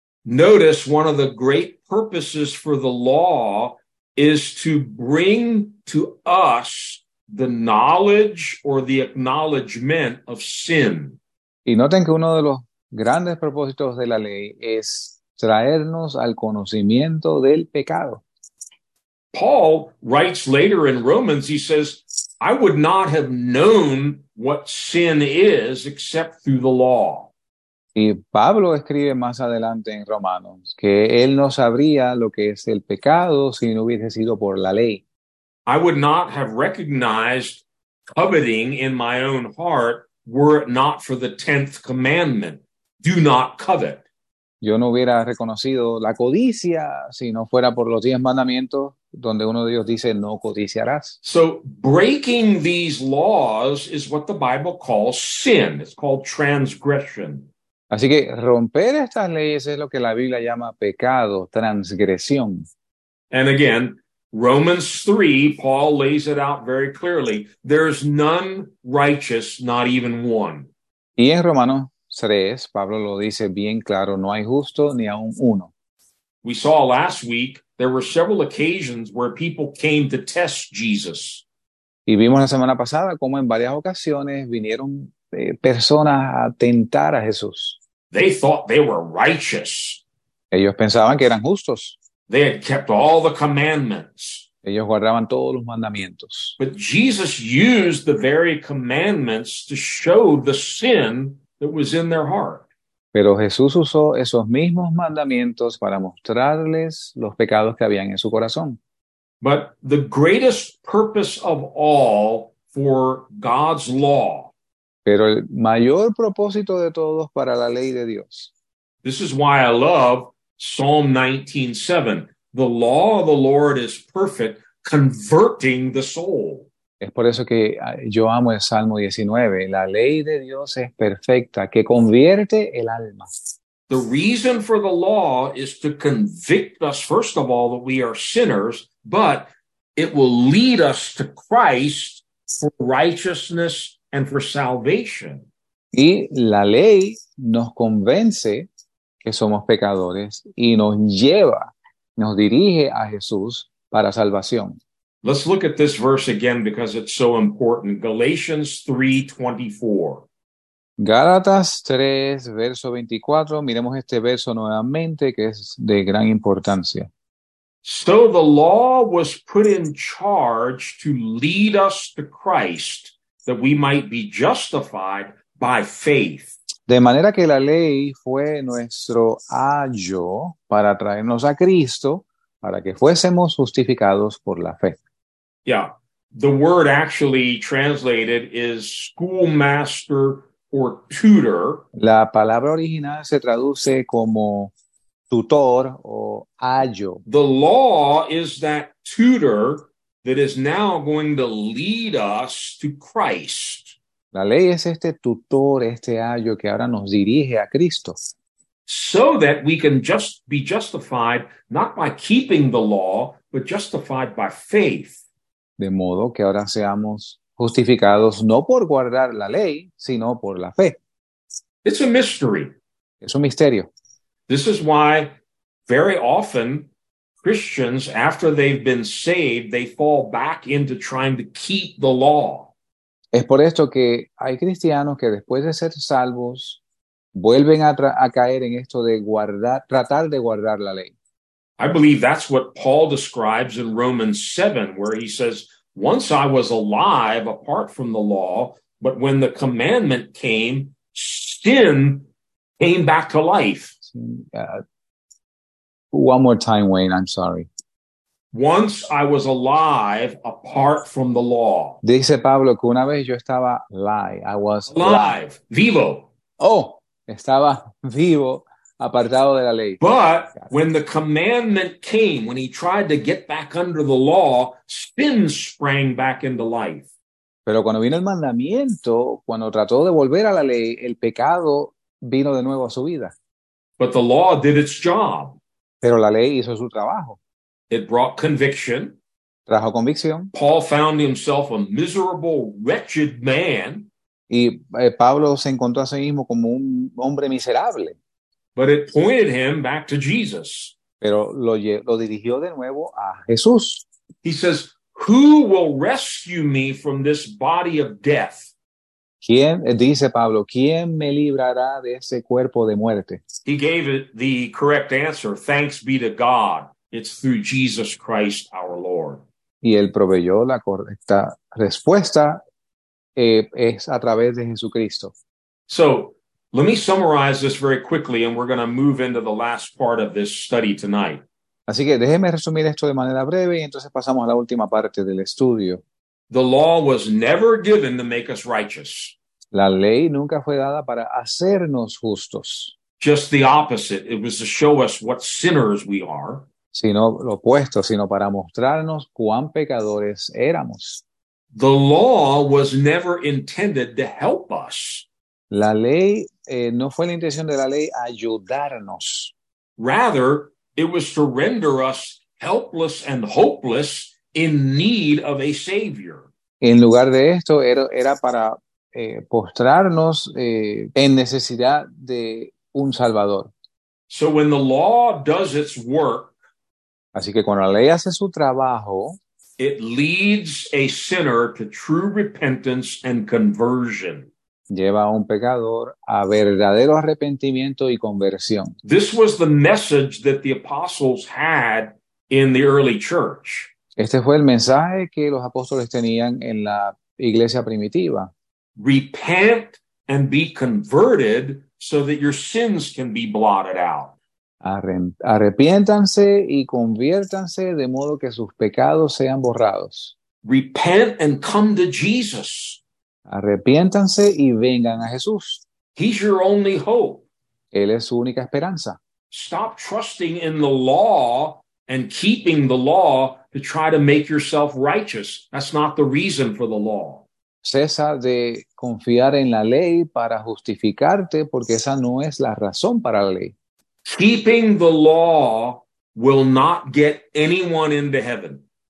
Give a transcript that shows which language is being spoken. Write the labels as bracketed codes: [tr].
[en] Notice one of the great purposes for the law is to bring to us the knowledge or the acknowledgement of sin. [es] Y noten que uno de los grandes propósitos de la ley es traernos al conocimiento del pecado. [en] Paul writes later in Romans, he says, I would not have known what sin is except through the law. [es] Y Pablo escribe más adelante en Romanos que él no sabría lo que es el pecado si no hubiese sido por la ley. [en] I would not have recognized coveting in my own heart were it not for the 10th commandment, do not covet. [es] Yo no hubiera reconocido la codicia si no fuera por los 10 mandamientos, donde uno de ellos dice, no codiciarás. [en] So breaking these laws is what the Bible calls sin. It's called transgression. [es] Así que romper estas leyes es lo que la Biblia llama pecado, transgresión. [en] And again, Romans 3, Paul lays it out very clearly. There's none righteous, not even one. [es] Y en Romanos 3, Pablo lo dice bien claro, no hay justo ni aun uno. [en] We saw last week, there were several occasions where people came to test Jesus. [es] Y vimos la semana pasada cómo en varias ocasiones vinieron personas a tentar a Jesús. [en] They thought they were righteous. [es] Ellos pensaban que eran justos. [en] They had kept all the commandments. [es] Ellos guardaban todos los mandamientos. [en] But Jesus used the very commandments to show the sin that was in their heart. [es] Pero Jesús usó esos mismos mandamientos para mostrarles los pecados que habían en su corazón. [en] But the greatest purpose of all for God's law. [es] Pero el mayor propósito de todos para la ley de Dios. [en] This is why I love Psalm 19:7, the law of the Lord is perfect, converting the soul. [es] Es por eso que yo amo el Salmo 19. La ley de Dios es perfecta, que convierte el alma. [en] The reason for the law is to convict us, first of all, that we are sinners, but it will lead us to Christ for righteousness and for salvation. [es] Y la ley nos convence que somos pecadores y nos lleva, nos dirige a Jesús para salvación. [en] Let's look at this verse again because it's so important. Galatians 3:24. [es] Gálatas 3, verso 24. Miremos este verso nuevamente que es de gran importancia. [en] So the law was put in charge to lead us to Christ that we might be justified by faith. [es] De manera que la ley fue nuestro ayo para traernos a Cristo, para que fuésemos justificados por la fe. [en] Yeah, the word actually translated is schoolmaster or tutor. [es] La palabra original se traduce como tutor o ayo. [en] The law is that tutor that is now going to lead us to Christ. [es] La ley es este tutor, este ayo que ahora nos dirige a Cristo. [en] So that we can just be justified, not by keeping the law, but justified by faith. [es] De modo que ahora seamos justificados no por guardar la ley, sino por la fe. [en] It's a mystery. [es] Es un misterio. [en] This is why very often Christians, after they've been saved, they fall back into trying to keep the law. [es] Es por esto que hay cristianos que después de ser salvos vuelven a caer en esto de guardar, tratar de guardar la ley. [en] I believe that's what Paul describes in Romans 7, where he says, once I was alive apart from the law, but when the commandment came, sin came back to life. One more time, Wayne, I'm sorry. Once I was alive apart from the law. [es] Dice Pablo que una vez yo estaba [en] alive. I was alive. [es] Vivo. Oh, estaba vivo. Apartado de la ley. [en] But when the commandment came, when he tried to get back under the law, sin sprang back into life. [es] Pero cuando vino el mandamiento, cuando trató de volver a la ley, el pecado vino de nuevo a su vida. [en] But the law did its job. [es] Pero la ley hizo su trabajo. [en] It brought conviction. [es] Trajo convicción. [en] Paul found himself a miserable, wretched man. [es] Y Pablo se encontró a sí mismo como un hombre miserable. [en] But it pointed him back to Jesus. [es] Pero lo dirigió de nuevo a Jesús. [en] He says, who will rescue me from this body of death? [es] ¿Quién, dice Pablo, quién me librará de ese cuerpo de muerte? [en] He gave it the correct answer. Thanks be to God. It's through Jesus Christ, our Lord. [es] Y él proveyó la correcta respuesta. Es a través de Jesucristo. [en] So, let me summarize this very quickly, and we're going to move into the last part of this study tonight. [es] Así que déjeme resumir esto de manera breve, y entonces pasamos a la última parte del estudio. [en] The law was never given to make us righteous. [es] La ley nunca fue dada para hacernos justos. [en] Just the opposite. It was to show us what sinners we are. [es] Sino lo opuesto, sino para mostrarnos cuán pecadores éramos. [en] The law was never intended to help us. [es] La ley no fue la intención de la ley ayudarnos. [en] Rather, it was to render us helpless and hopeless in need of a savior. [es] En lugar de esto, era para postrarnos en necesidad de un salvador. [en] So when the law does its work, [es] así que cuando la ley hace su trabajo, [en] it leads a sinner to true repentance and conversion. [es] Lleva a un pecador a verdadero arrepentimiento y conversión. [en] This was the message that the apostles had in the early church. [es] Este fue el mensaje que los apóstoles tenían en la iglesia primitiva. [en] Repent and be converted so that your sins can be blotted out. [es] Arrepiéntanse y conviértanse de modo que sus pecados sean borrados. [en] Repent and come to Jesus. [es] Arrepiéntanse y vengan a Jesús. [en] He's your only hope. [es] Él es su única esperanza. [en] Stop trusting in the law and keeping the law to try to make yourself righteous. That's not the reason for the law. [es] Cesa de confiar en la ley para justificarte, porque esa no es la razón para la ley. [en] Keeping the law will not get anyone into heaven.